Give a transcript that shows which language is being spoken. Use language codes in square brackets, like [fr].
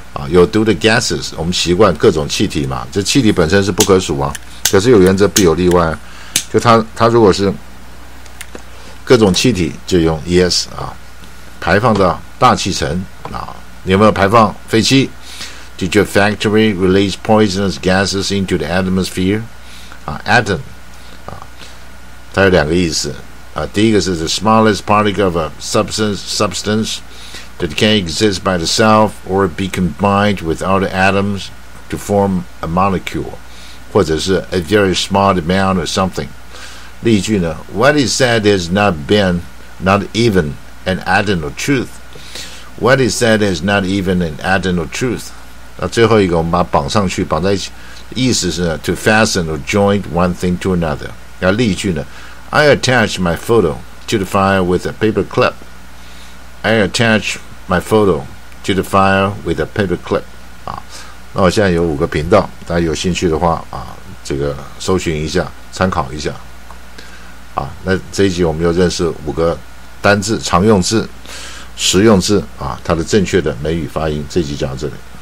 [zh] 有毒的 [en] gases， [zh] 我们习惯各种气体嘛，这气体本身是不可数啊，可是有原则必有例外，就它如果是各种气体就用 yes 啊，排放到大气层啊，你有没有排放废气？ Did your factory release poisonous gases into the atmosphere？啊 atom 啊，它有两个意思啊，第一个是 [en] the smallest particle of a substance that can exist by itself or be combined with other atoms to form a molecule， [zh] 或者是 [en] a very small amount or something。 [zh] 例句呢， [en] What he said has not been not even an atom of truth。 What he said has not even an atom of truth。 [zh] 那最后一个我们把它绑上去，绑在一起，意思是呢 [en] to fasten or join one thing to another。 [zh] 那例句呢， [en] I attach my photo to the file with a paper clip。 I attach my photo to the file with a paper clip。 [zh] 啊，那我现在有五个频道，大家有兴趣的话啊，这个搜寻一下，参考一下。啊，那这一集我们又认识五个单字、常用字、实用字啊，它的正确的美语发音。这一集讲到这里。